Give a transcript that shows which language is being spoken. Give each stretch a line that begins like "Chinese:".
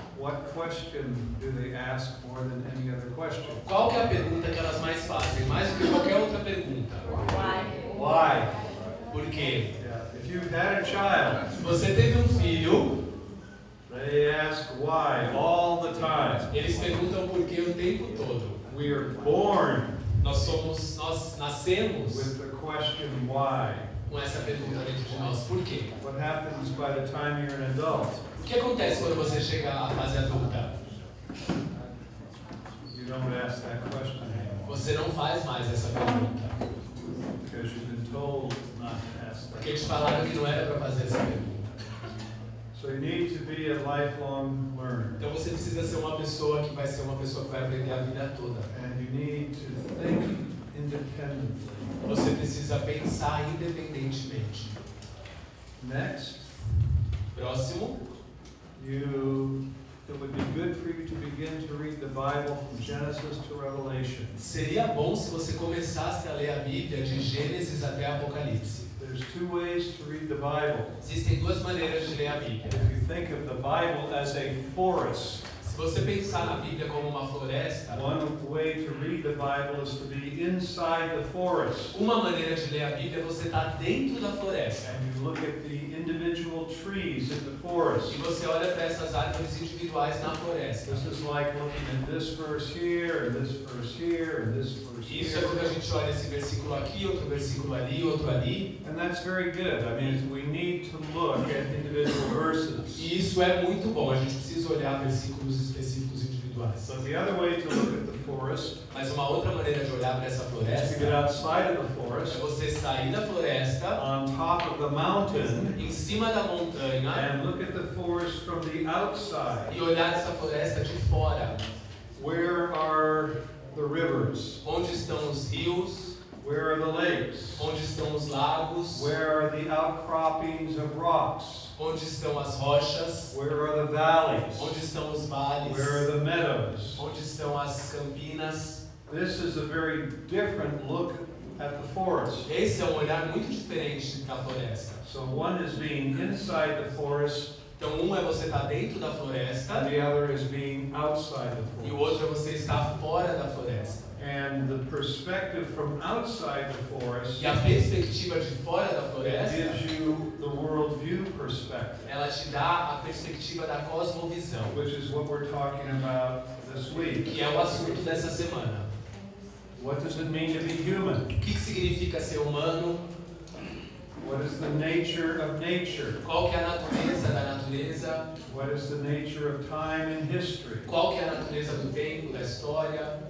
English: what question do they ask more than any other question?
Portuguese: Qual que é a pergunta que elas mais fazem, mais do que qualquer outra pergunta?
English: Why?
Portuguese: Por quê?
English: Yeah. If you've had a child,
Portuguese: se você teve filho,
English: they ask why all the time.
Portuguese: Eles perguntam por quê o tempo todo.
English: We are born.
Portuguese: Nós nascemos.
English: With the question why.
Portuguese: Com essa pergunta dentro de nós, por quê?
English: What happens by the time you're an adult?
Portuguese: O que acontece quando você chega à fase adulta?
English: You don't ask that question anymore.
Portuguese: Você não faz mais essa pergunta.
English: Because you've been told not to ask that.
Portuguese: Porque te falaram que não era para fazer essa pergunta.
English: So you need to be a lifelong learner.
Portuguese: Então você precisa ser uma pessoa que vai ser uma pessoa que vai aprender a vida toda.
English: And you need to think independently.
Portuguese: Você precisa pensar independentemente.
English: Next.
Portuguese: Próximo.
English: It would be good for you to begin to read the Bible from Genesis to Revelation.
Portuguese: Seria bom se você começasse a ler a Bíblia de Gênesis até Apocalipse.
English: There's two ways to read the Bible.
Portuguese: Existem duas maneiras de ler a Bíblia.
English: If you think of the Bible as a forest.
Portuguese: Se você pensar na Bíblia como uma floresta.
English: One way to read the Bible is to be inside the forest.
Portuguese: Uma maneira de ler a Bíblia é você estar dentro da floresta.
English: And you look at the individual trees in the forest.
Portuguese: E você olha para essas árvores individuais na floresta.
English: This is like looking at this verse here, this verse here, and this verse here.
Portuguese: Isso é quando a gente olha esse versículo aqui, outro versículo ali, outro ali.
English: And that's very good. I mean, we need to look at individual verses.
Portuguese: E isso é muito bom. A gente precisa olhar versículos específicos individuais.
English: But the other way to look at the forest.
Portuguese: Mas uma outra maneira de olhar para essa floresta.
English: Is to get outside of the forest.
Portuguese: É você sair da floresta.
English: On top of the mountain.
Portuguese: Em cima da montanha.
English: And look at the forest from the outside.
Portuguese: E olhar essa floresta de fora.
English: Where are the rivers?
Portuguese: Onde estão os rios?
English: Where are the lakes?
Portuguese: Onde estão os lagos?
English: Where are the outcroppings of rocks?
Portuguese: Onde estão as rochas?
English: Where are the valleys?
Portuguese: Onde estão os vales?
English: Where are the meadows?
Portuguese: Onde estão as campinas?
English: This is a very different look at the forest.
Portuguese: Esse é um olhar muito diferente da floresta.
English: So one is being inside the forest.
Portuguese: Então um é você estar dentro da floresta.
English: The other is being outside the forest.
Portuguese: E o outro é você estar fora da floresta.
English: And the perspective from outside the forest.
Portuguese: E a perspectiva de fora da floresta.
English: Gives you the worldview perspective.
Portuguese: Ela te dá a perspectiva da cosmovisão.
English: Which is what we're talking about this week.
Portuguese: Que é o assunto dessa semana.
English: What does it mean to be human?
Portuguese: O que significa ser humano?
English: What is the nature of nature?
Portuguese: Qual que é a natureza da natureza?
English: What is the nature of time and history?
Portuguese: Qual que é a natureza do tempo, da história?